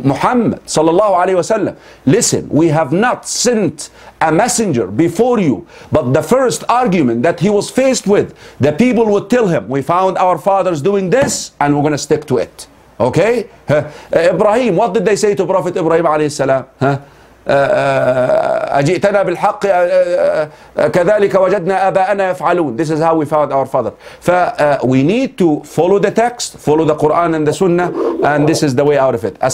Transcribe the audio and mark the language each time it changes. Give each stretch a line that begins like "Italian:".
English: Muhammad sallallahu alayhi wasallam, listen, we have not sent a messenger before you. But the first argument that he was faced with, the people would tell him, we found our fathers doing this and we're going to stick to it. Okay? Ibrahim, what did they say to Prophet Ibrahim alayhi salam?
Arabic: أجئتنا بالحق كذلك وجدنا أباءنا يفعلون.
English: This is how we found our father. We need to follow the text, follow the Quran and the Sunnah, and this is the way out of it.